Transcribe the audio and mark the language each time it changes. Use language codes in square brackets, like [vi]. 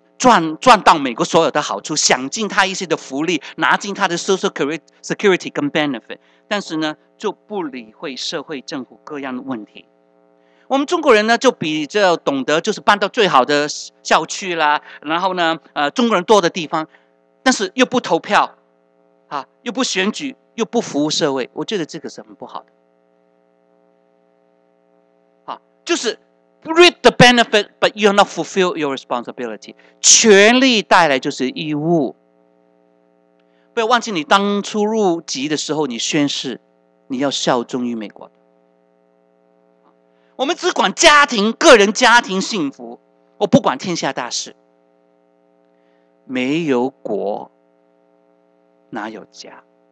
[zh] 赚到美国所有的好处，享尽他一些的福利，拿尽他的 social security 跟 benefit， 但是呢，就不理会社会政府各样的问题。我们中国人呢，就比较懂得就是搬到最好的校区啦，然后呢，中国人多的地方，但是又不投票，啊，又不选举，又不服务社会，我觉得这个是很不好的。啊，就是 [en] reap the benefit, but you're not fulfill your responsibility. [zh] 权力带来就是义务。不要忘记你当初入籍的时候，你宣誓你要效忠于美国。我们只管家庭，个人家庭幸福，我不管天下大事。没有国，哪有家？